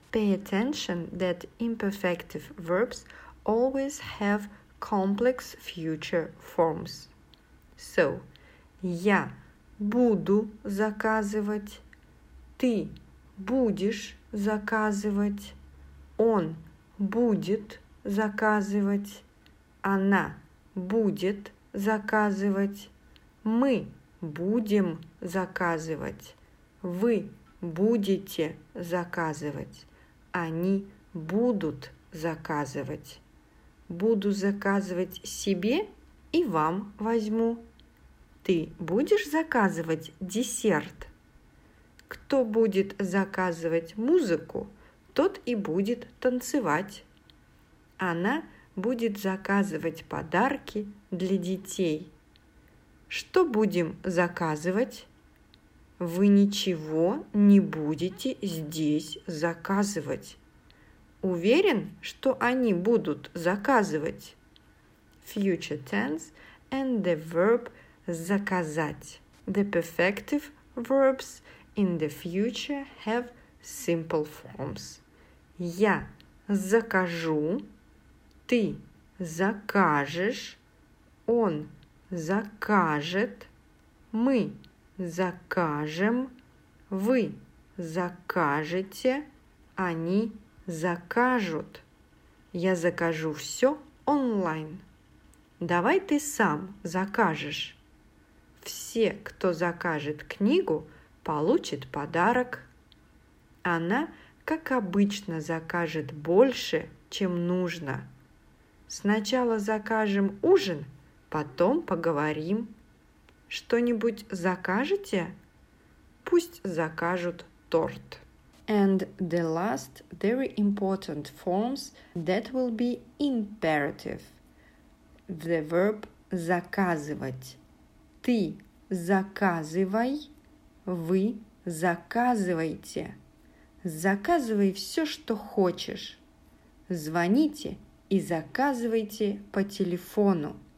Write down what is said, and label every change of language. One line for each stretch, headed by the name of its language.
English: Pay attention that imperfective verbs always have complex future forms.
Russian: So, я буду заказывать, ты будешь заказывать, он будет заказывать, она будет заказывать, мы будем заказывать, вы будете заказывать, они будут заказывать. Буду заказывать себе и вам возьму. Ты будешь заказывать десерт? Кто будет заказывать музыку, тот и будет танцевать. Она будет заказывать подарки для детей. Что будем заказывать? Вы ничего не будете здесь заказывать. Уверен, что они будут заказывать.
English: Future tense and the verb заказать. The perfective verbs in the future have simple forms.
Russian: Я закажу, ты закажешь, Он закажет, мы закажем, вы закажете, они закажут. Я закажу все онлайн. Давай ты сам закажешь. Все, кто закажет книгу, получит подарок. Она, как обычно, закажет больше, чем нужно. Сначала закажем ужин, потом поговорим. Что-нибудь закажете? Пусть закажут торт.
English: And the last very important forms that will be imperative. The verb заказывать.
Russian: Ты заказывай, вы заказывайте. Заказывай все, что хочешь. Звоните и заказывайте по телефону.